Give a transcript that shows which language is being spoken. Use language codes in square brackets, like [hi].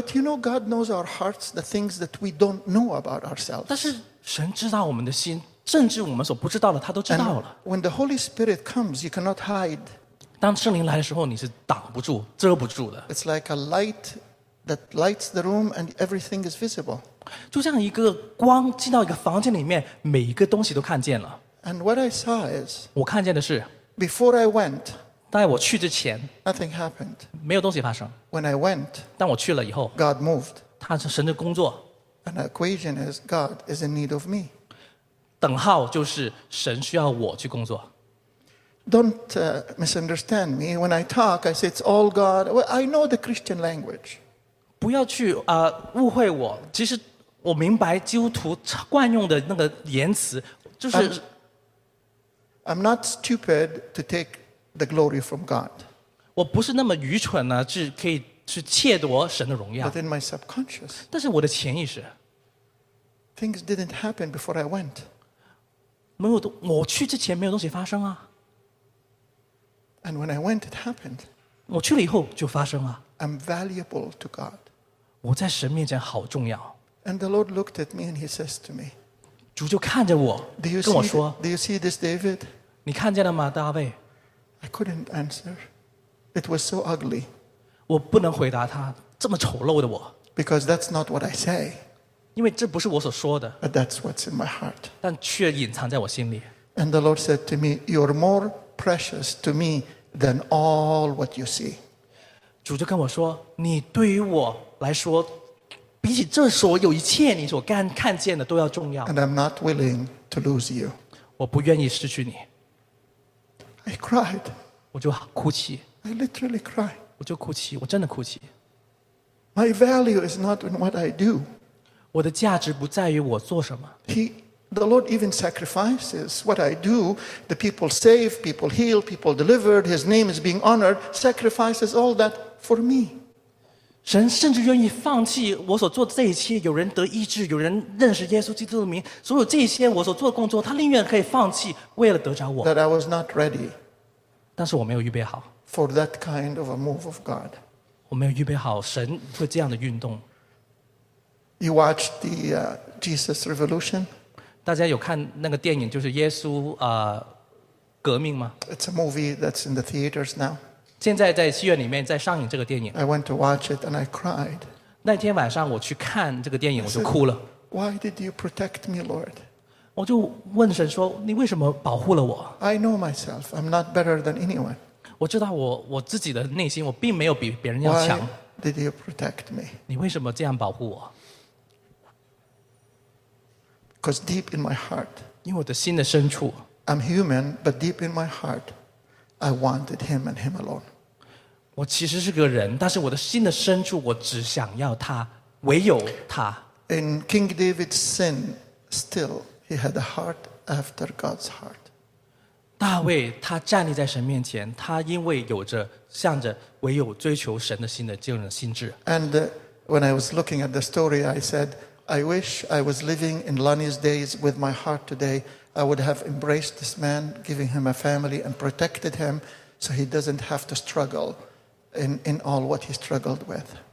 [en] But you know, God knows our hearts, the things that we don't know about ourselves. [zh] 但是神知道我们的心，甚至我们所不知道的，他都知道了。 [en] When the Holy Spirit comes, you cannot hide. [zh] 当圣灵来的时候，你是挡不住、遮不住的。 [en] It's like a light that lights the room, and everything is visible. [zh] 就像一个光进到一个房间里面，每一个东西都看见了。 [en] And what I saw is, [zh] 我看见的是 [en] before I went. [zh] 在我去之前 [en] Nothing happened. [zh] 没有东西发生 [en] When I went, [zh] 但我去了以后 [en] God moved. [zh] 他是神的工作 [en] And the equation is God is in need of me. [zh] 等号就是神需要我去工作 [en] Don't misunderstand me. When I talk, I say it's all God. Well, I know the Christian language. [zh] 不要去误会我其实我明白基督徒惯用的那个言词就是 [en] I'm not stupid to takeThe glory from God. [zh] 我不是那么愚蠢呢，是可以去窃夺神的荣耀。 [en] But in my subconscious, [zh] 但是我的潜意识 [en] ，things didn't happen before I went. [zh] 没有，我去之前没有东西发生啊。 [en] And when I went, it happened. [zh] 我去了以后就发生了。 [en] I'm valuable to God. [zh] 我在神面前好重要。 [en] And the Lord looked at me and He says to me, [zh] 主就看着我，跟我说 [en] ，Do you see this, David? [zh] 你看见了吗，大卫？ [en] I couldn't answer. It was so ugly. [zh] 我不能回答他这么丑陋的我 [en] Because that's not what I say. [zh] 因为这不是我所说的 [en] But that's what's in my heart. [zh] 但却隐藏在我心里 [en] And the Lord said to me, "You're more precious to me than all what you see." [zh] 主就跟我说，你对于我来说，比起这所有一切你所看见的都要重要 [en] And I'm not willing to lose you. [zh] 我不愿意失去你。 [en] I cried. [zh] 我就哭泣。 [en] I literally cried. [zh] 我就哭泣，我真的哭泣。 [en] My value is not in what I do. [zh] 我的价值不在于我做什么。 [en] The Lord even sacrifices what I do. The people saved, people healed, people delivered. His name is being honored. Sacrifices all that for me. [zh] 神甚至愿意放弃我所做的这一切，有人得医治，有人认识耶稣基督的名，所有这些我所做的工作，他宁愿可以放弃，为了得着我。 [en] That I was not ready. [zh] 但是我没有预备好。 [en] For that kind of a move of God. [zh] 我没有预备好神会这样的运动。 [en] You watched the Jesus Revolution? [zh] 大家有看那个电影，就是耶稣革命吗 [en] ？It's a movie that's in the theaters now. [zh] 现在在戏院里面在上映这个电影。 [en] I went to watch it and I cried. [zh] 那天晚上我去看这个电影，我就哭了。 [en] Why did you protect me, Lord? [zh] 我就问神说，你为什么保护了我 [en] ？I know myself. I'm not better than anyone. [zh] 我知道我自己的内心，我并没有比别人要强。 [en] Why did you protect me? [zh] 你为什么这样保护我 [en] ？Because deep in my heart, [zh] 因为我的心的深处 [en] ，I'm human, but deep in my heart. I wanted him and him alone. [zh] 我其实是个人，但是我的心的深处，我只想要他，唯有他。 [en] In King David's sin, still he had a heart after God's heart. [zh] 大卫他站立在神面前，他因为有着向着唯有追求神的心的这种心智。 [en] And when I was looking at the story, I said, I wish I was living in Lonnie's days with my heart today. I would have embraced this man, giving him a family, and protected him, so he doesn't have to struggle in all what he struggled with.